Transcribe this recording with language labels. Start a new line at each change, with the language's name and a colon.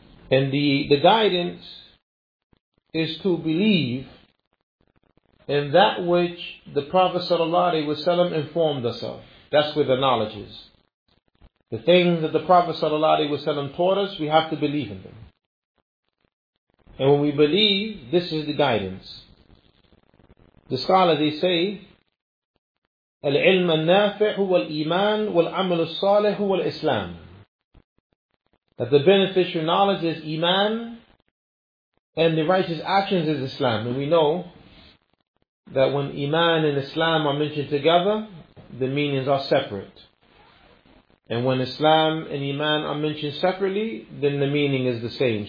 English: And the guidance is to believe in that which the Prophet sallallahu alayhi wasallam informed us of. That's where the knowledge is. The things that the Prophet sallallahu alayhi wasallam taught us, we have to believe in them. And when we believe, this is the guidance. The scholars, they say,
Arabic: العلم النافع هو الإيمان والعمل الصالح هو الإسلام.
English: That the beneficial knowledge is Iman and the righteous actions is Islam. And we know that when Iman and Islam are mentioned together, the meanings are separate. And when Islam and Iman are mentioned separately, then the meaning is the same.